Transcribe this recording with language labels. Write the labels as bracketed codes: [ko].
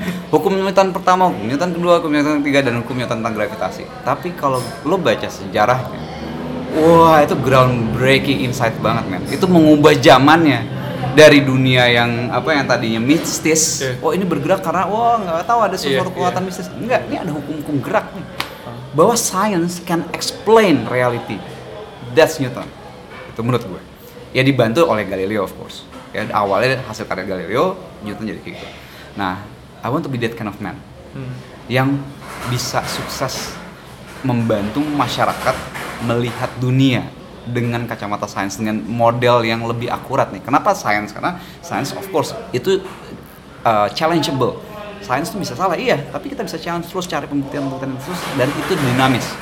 [id] Hukum Newton pertama, hukum Newton kedua, hukum Newton ketiga, dan hukum Newton tentang gravitasi. Tapi kalau lo baca sejarahnya, wah itu [en] groundbreaking insight [id] banget, men. Itu mengubah zamannya dari dunia yang apa yang tadinya mistis. [en] Yeah. [id] Oh, ini bergerak karena wah enggak tahu ada sesuatu kekuatan mistis. Enggak, ini ada hukum-hukum gerak nih. Bahwa [en] science can explain reality. That's Newton. [id] Itu menurut gue. Ya dibantu oleh Galileo [en] of course. [id] Ya, awalnya hasil karya Galileo, Newton jadi kayak gitu. [en] Nah, I want to be that kind of man. [id] Yang bisa sukses membantu masyarakat melihat dunia dengan kacamata sains, dengan model yang lebih akurat nih. Kenapa sains? Karena sains [en] of course [id] itu challengeable. Sains itu bisa salah, iya, tapi kita bisa challenge terus, cari pembuktian-pembuktian terus, dan itu dinamis.